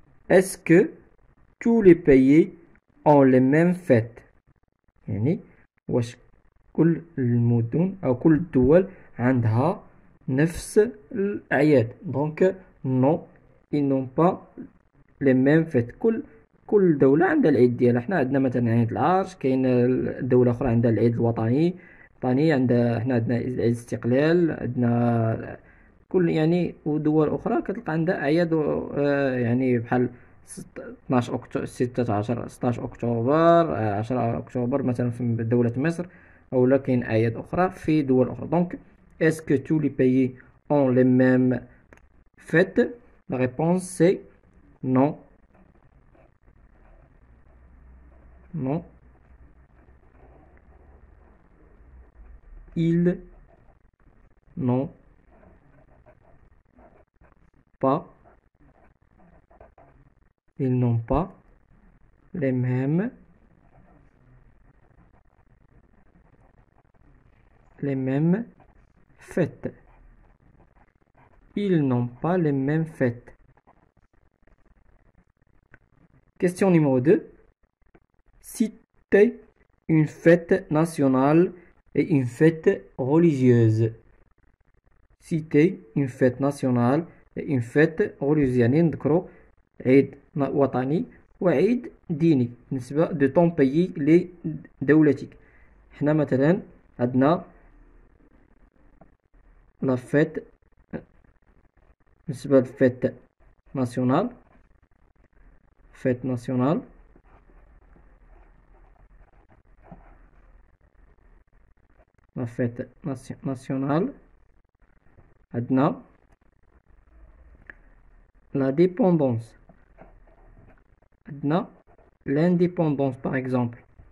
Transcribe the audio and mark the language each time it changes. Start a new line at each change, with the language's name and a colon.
French: Est-ce que tous les pays ont les mêmes fêtes?
Arabic: يعني واش كل المدن أو كل الدول عندها نفس الأعياد؟
French: Donc non, ils n'ont pas les mêmes fêtes.
Arabic: كل دولة عندها العيد ديالها. حنا عندنا مثلا عيد العرش، كاين دولة أخرى عندها العيد الوطني، الوطني عندها، حنا عندنا عيد الاستقلال، عندنا كل يعني ودول أخرى كتلقى عندها أعياد يعني بحال 16 أكتوبر 10 أكتوبر مثلا في دولة مصر أو لكن أعياد أخرى في دول أخرى.
French: دونك est-ce que tous les pays ont les mêmes fêtes? La réponse c'est non. Non. Il non. Pas. Ils n'ont pas les mêmes fêtes. Ils n'ont pas les mêmes fêtes. Question numéro 2. Citez une fête nationale et une fête religieuse. Citez une fête nationale et une fête religieuse.
Arabic: عيد وطني وعيد ديني بالنسبة دو طون باي لي دولتك. حنا مثلا عندنا لا فيت بالنسبة لفيت ناسيونال، فيت ناسيونال لا فيت ناسيونال عندنا لا ديبوندونس
French: Non, l'indépendance par exemple.